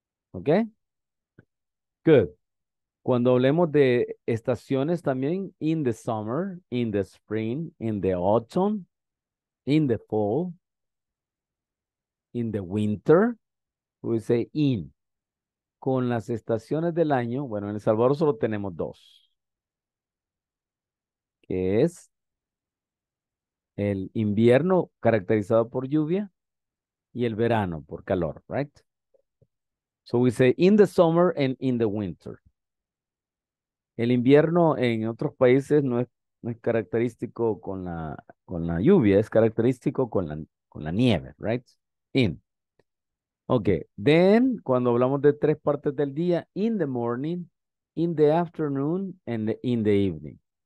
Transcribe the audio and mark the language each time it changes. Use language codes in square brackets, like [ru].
[en] ¿Ok? Good. [es] Cuando hablemos de estaciones también, [en] in the summer, in the spring, in the autumn, in the fall, in the winter, we say in. [es] Con las estaciones del año, bueno, en El Salvador solo tenemos dos. Que es el invierno caracterizado por lluvia y el verano por calor, right? [en] So we say in the summer and in the winter. [es] El invierno en otros países no es característico con la lluvia, es característico con la nieve, right? [en] In. Okay, then, [es] cuando hablamos de tres partes del día, [en] in the morning, in the afternoon, and in the evening.